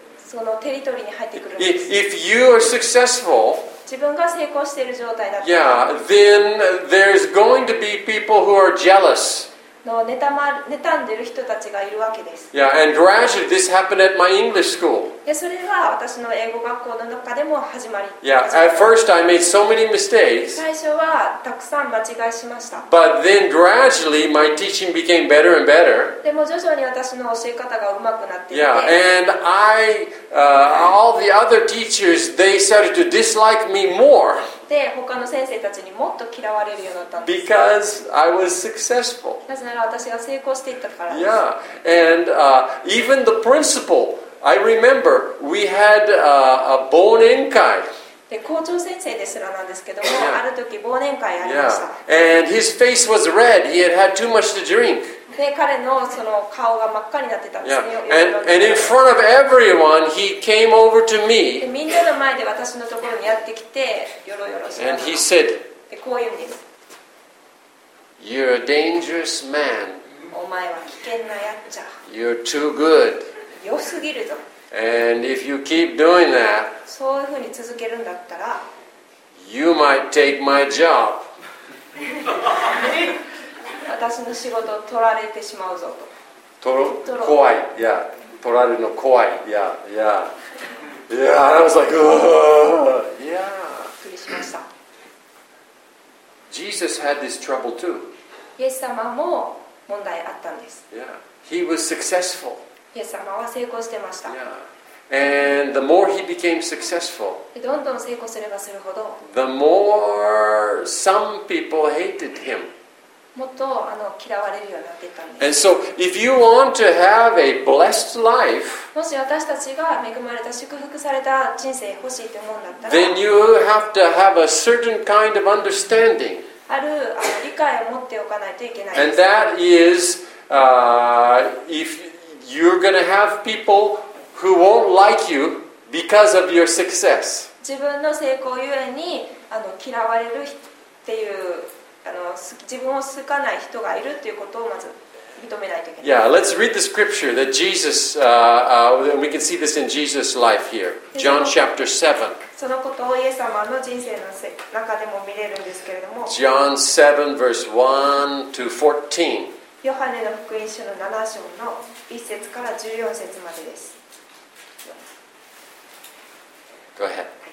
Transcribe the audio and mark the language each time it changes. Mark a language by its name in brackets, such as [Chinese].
[Japanese] そのテリトリーに入ってくるんです。 [English] If you are successful, [Japanese] 自分が成功している状態だと、 [English] yeah, then there's going to be people who are jealous. [Japanese] の妬んでる人たちがいるわけです。 [English] Yeah, and gradually this happened at my English school. [Japanese] Yeah, それは私の英語学校の中でも始まり。 [English] Yeah, at first I made so many mistakes. [Japanese] 最初はたくさん間違いしました。 [English] But then gradually my teaching became better and better. [Japanese] でも徐々に私の教え方が上手くなっていて。 [English] Yeah, and I,all the other teachers, they started to dislike me more. [Japanese] で他の先生たちにもっと嫌われるようになったんです。 [English] Because I was successful. [Japanese] なぜなら私が成功していったからです。 [English] Yeah, and even the principal, I remember we had a 忘年会。 [Japanese] で校長先生ですらなんですけども、yeah. ある時忘年会ありました。 Yeah. [English] And his face was red. He had had too much to drink. [Japanese] で彼のその顔が真っ赤になってたんですね。 Yeah. [English] And in front of everyone, he came over to me. [Japanese] でみんなの前で私のところにやってきて、よろよろして。 [English] And he said, [Japanese] でこう言うんです。 [English] You're a dangerous man. [Japanese] お前は危険なやっちゃ。 [English] You're too good. [Japanese] 良すぎるぞ。 [English] And if you keep doing that, [Japanese] そういうふうに続けるんだったら、 [English] You might take my job. [Japanese] 私の仕事を取られてしまうぞと。取る怖い。いや、取られるの怖い。いや、いや。 [English] いや、I was like, ugh! [Japanese] いや。びっくりしました。 [English] Jesus had this trouble too. [Japanese] イエス様も問題あったんです。 [English] Yeah. He was successful. [Japanese] イエス様は成功してました。 Yeah. [English] And the more he became successful, [Japanese] どんどん成功すればするほど、 [English] the more some people hated him. [Japanese] もっと嫌われるようになっていったんです。 [English] And so, if you want to have a blessed life, [Japanese] もし私たちが恵まれた祝福された人生欲しいと思うんだったら、 [English] then you have to have a certain kind of understanding. [Japanese] ある理解を持っておかないといけないです。 [English] And that is, if you're going to have people who won't like you because of your success. [Japanese] 自分の成功ゆえに嫌われるっていう。自分を好かない人がいるということをまず認めないといけない。 [English] Yeah, let's read the scripture that Jesus, we can see this in Jesus' life here. John chapter 7. [Japanese] そのことをイエス様の人生の中でも見れるんですけれども。 [English] John 7 verse 1 to 14. [Japanese] ヨハネの福音書の7章の1節から14節までです。 [English] Go ahead.